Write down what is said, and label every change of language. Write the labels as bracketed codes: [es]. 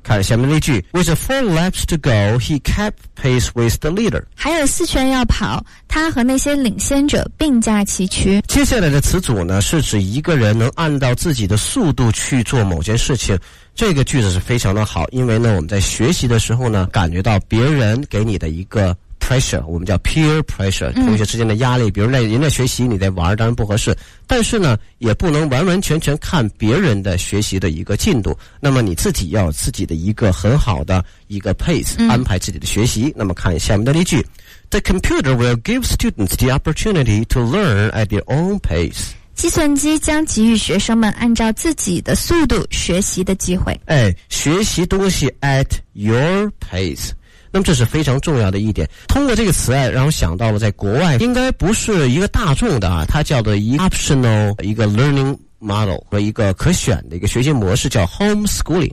[zh] 看下面例句 [en] ，With four laps to go, he kept pace with the leader。 [zh] 还有四圈要跑，他和那些领先者并驾齐驱。接下来的词组呢，是指一个人能按照自己的速度去做某件事情。这个句子是非常的好，因为呢我们在学习的时候呢感觉到别人给你的一个 pressure， 我们叫 peer pressure， 同学之间的压力，比如在人家学习你在玩，当然不合适，但是呢也不能完完全全看别人的学习的一个进度，那么你自己要有自己的一个很好的一个 pace， 安排自己的学习。那么看下面的例句 [en] The computer will give students the opportunity to learn at their own pace。 [zh] 计算机将给予学生们按照自己的速度学习的机会。哎，学习东西 [en] at your pace， [zh] 那么这是非常重要的一点。通过这个词啊，让我想到了在国外应该不是一个大众的啊，它叫做一个 optional 一个 learning model 和一个可选的一个学习模式，叫 homeschooling，